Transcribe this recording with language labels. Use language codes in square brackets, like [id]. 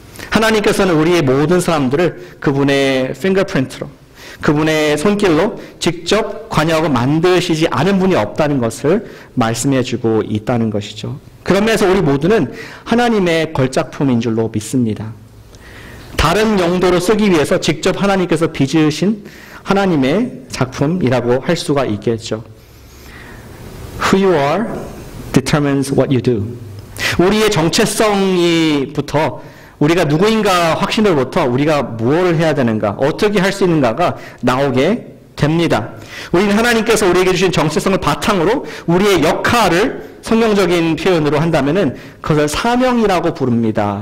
[ko] 하나님께서는 우리의 모든 사람들을 그분의 fingerprint로, 그분의 손길로 직접 관여하고 만드시지 않은 분이 없다는 것을 말씀해주고 있다는 것이죠. 그러면서 우리 모두는 하나님의 걸작품인 줄로 믿습니다. 다른 용도로 쓰기 위해서 직접 하나님께서 빚으신 하나님의 작품이라고 할 수가 있겠죠. [en] Who you are determines what you do. [ko] 우리의 정체성이부터 우리가 누구인가 확신으로부터 우리가 무엇을 해야 되는가, 어떻게 할 수 있는가가 나오게 됩니다. 우리는 하나님께서 우리에게 주신 정체성을 바탕으로 우리의 역할을 성경적인 표현으로 한다면은 그것을 사명이라고 부릅니다.